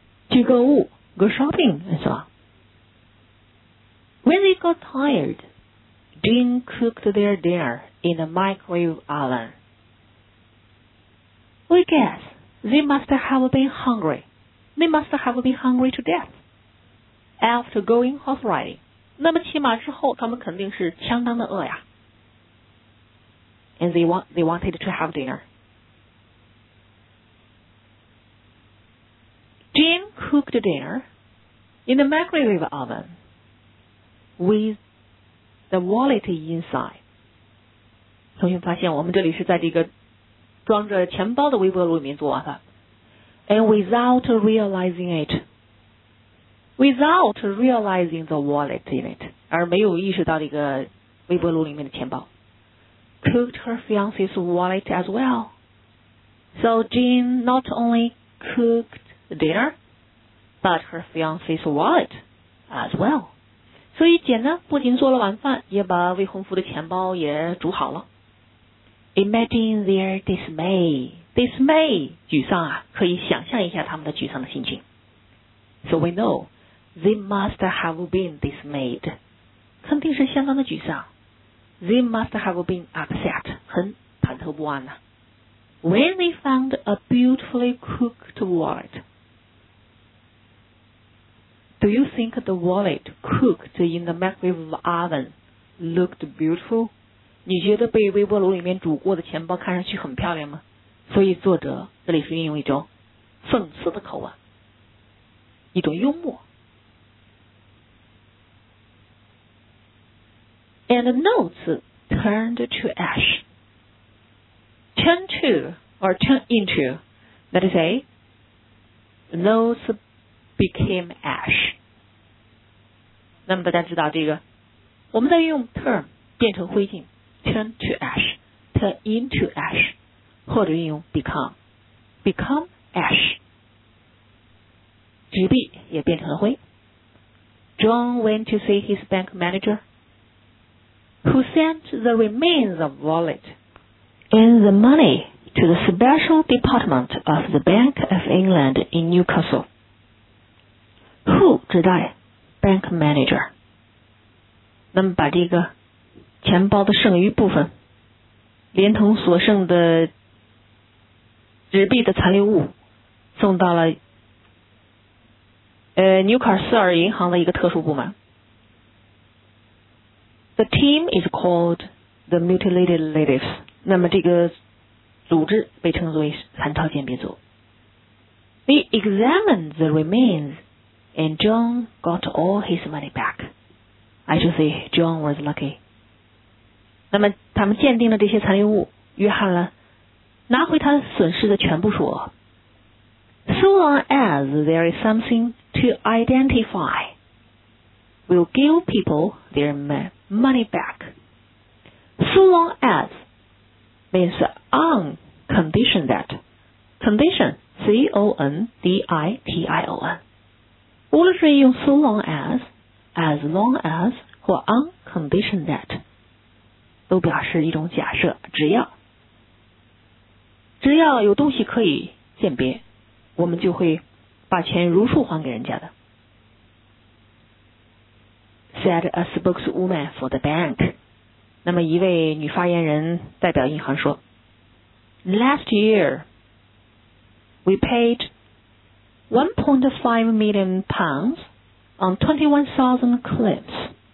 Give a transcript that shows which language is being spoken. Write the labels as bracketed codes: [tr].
[zh] 去购物 [en] go shopping, and so on. When they got tired, Jim cooked their dinner in the microwave oven. We guess they must have been hungry. They must have been hungry to death after going horse riding. [zh] 那么骑马之后，他们肯定是相当的饿呀。 [en] And they wanted to have dinner. Jim cooked dinner in the microwave oven with the wallet inside. [zh] 同学发现我们这里是在这个装着钱包的微波炉里面做完的。 [en] And without realizing the wallet in it, [zh] 而没有意识到这个微波炉里面的钱包。 [en] Cooked her fiance's wallet as well. So Jean not only cooked dinner, but her fiance's wallet as well. [zh] 所以简单不仅做了晚饭，也把未婚夫的钱包也煮好了。 [en] Imagine their dismay. [zh] Dismay, 沮丧啊，可以想象一下他们的沮丧的心情。 [en] So we know they must have been dismayed. [zh] 肯定是相当的沮丧。 [en] They must have been upset, [zh] 很忐忑不安啊。 [en] When they found a beautifully cooked wallet, do you think the wallet cooked in the microwave oven looked beautiful? [zh] 你觉得被微波炉里面煮过的钱包看上去很漂亮吗？所以作者这里是运用一种讽刺的口吻，一种幽默。 [en] And the notes turned to ash. Turn to or turn into, that is a, notes became ash. [zh] 那么大家知道这个，我们在用 turn 变成灰烬 ， [en] turn to ash, turn into ash, [zh] 或者用 become [en] ash. [zh] 纸币也变成了灰。 [en] John went to see his bank manager. Who sent the remains of wallet and the money to the special department of the Bank of England in Newcastle? Who 指代 bank manager? [zh] 那么把这个钱包的剩余部分，连同所剩的纸币的残留物，送到了Newcastle银行的一个特殊部门。 [en] The team is called the Mutilated Ladies. [zh] 那么这个组织被称作为残超鉴别组。 [en] They examined the remains and John got all his money back. I should say John was lucky. [zh] 那么他们鉴定了这些残留物，约翰呢，拿回他损失的全部数额。 [en] So long as there is something to identify, we'll give people their money back. So long as means on condition that. Condition, C-O-N-D-I-T-I-O-N. [zh] 无论是用 so long as [en] long as, [zh] 或 on condition that, 都表示一种假设，只要有东西可以鉴别，我们就会把钱如数还给人家的。 [en] Said a spokeswoman for the bank. [zh] 那么一位女发言人代表银行说 [en] Last year, we paid £1.5 million on 21,000 claims.